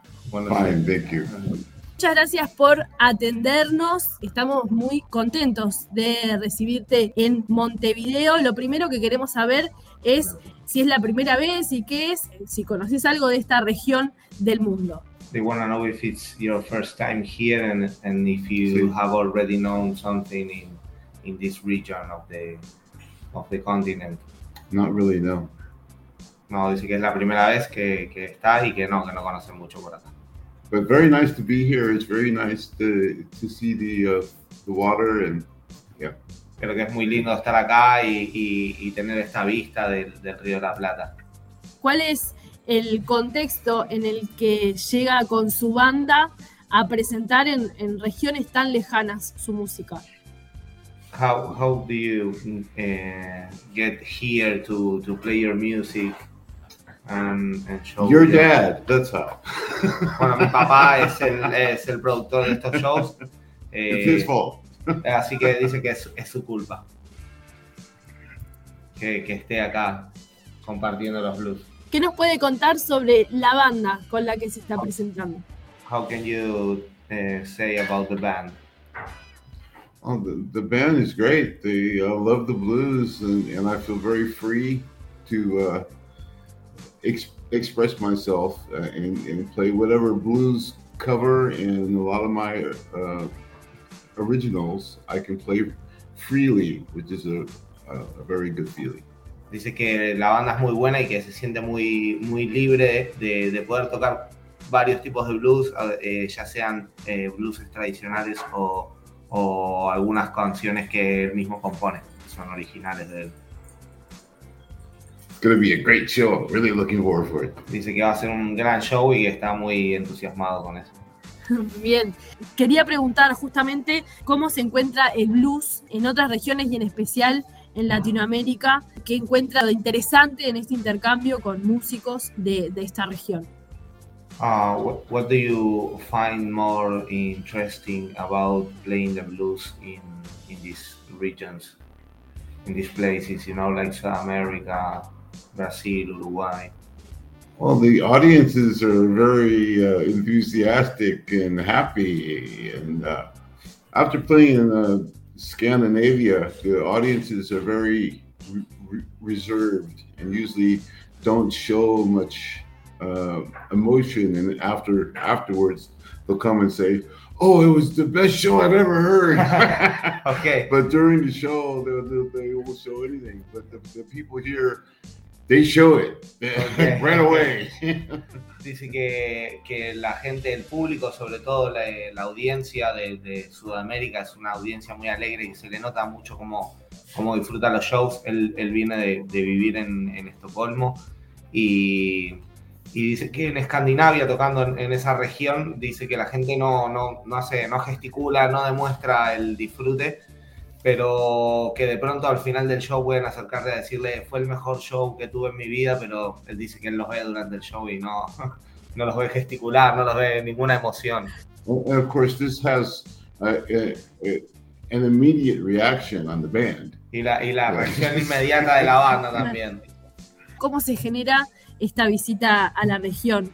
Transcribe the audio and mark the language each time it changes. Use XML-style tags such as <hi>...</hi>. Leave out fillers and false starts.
<en>Fine, thank you.</en> <es>Muchas gracias por atendernos. Estamos muy contentos de recibirte en Montevideo. Lo primero que queremos saber es si es la primera vez y qué es, si conoces algo de esta región del mundo.</es> <en>They want to know if it's your first time here and if you have already known something in this region of the continent. Not really, no.</en> <es>No, dice que es la primera vez que estás y que no conoces mucho por acá.</es> <en>But very nice to be here. It's very nice to see the water and yeah.</en> <es>Creo que es muy lindo estar acá y tener esta vista del río La Plata. ¿Cuál es el contexto en el que llega con su banda a presentar en regiones tan lejanas su música?</es> <en>How do you get here to play your music and show? Your dad, that's how.</en> <es>Bueno, mi papá es el productor de estos shows.</es> <en>It's his fault.</en> <es>Así que dice que es su culpa que esté acá compartiendo los blues. ¿Qué nos puede contar sobre la banda con la que se está presentando?</es> <en>How can you say about the band? Oh, the band is great. They love the blues and I feel very free to express myself and play whatever blues cover and a lot of my originals I can play freely, which is a very good feeling.</en> <es>Dice que la banda es muy buena y que se siente muy muy libre de poder tocar varios tipos de blues, ya sean blues tradicionales o algunas canciones que él mismo compone, que son originales de él.</es> <en>It's going to be a great show. Really looking forward for it.</en> <es>Dice que va a ser un gran show y está muy entusiasmado con eso. Bien. Quería preguntar justamente cómo se encuentra el blues en otras regiones y en especial en Latinoamérica. ¿Qué encuentra de interesante en este intercambio con músicos de esta región?</es> <en>What do you find more interesting about playing the blues in these regions, in these places, you know, like South America, Brazil, Uruguay? Well, the audiences are very enthusiastic and happy. And after playing in Scandinavia, the audiences are very reserved and usually don't show much emotion. And afterwards, they'll come and say, "Oh, it was the best show I've ever heard." Okay. But during the show, they will show anything. But the people here, they show it, okay. Right away.</en> <es>Dice que la gente, el público, sobre todo la audiencia de Sudamérica, es una audiencia muy alegre y se le nota mucho cómo disfruta los shows. Él viene de vivir en Estocolmo y dice que en Escandinavia, tocando en esa región, dice que la gente no gesticula, no demuestra el disfrute, pero que de pronto al final del show pueden acercarse a decirle: "Fue el mejor show que tuve en mi vida", pero él dice que él los ve durante el show y no los ve gesticular, no los ve ninguna emoción.</es> <en>Well, of course, this has an immediate reaction on the band.</en> <es>Y la reacción inmediata de la banda también. ¿Cómo se genera esta visita a la región?</es>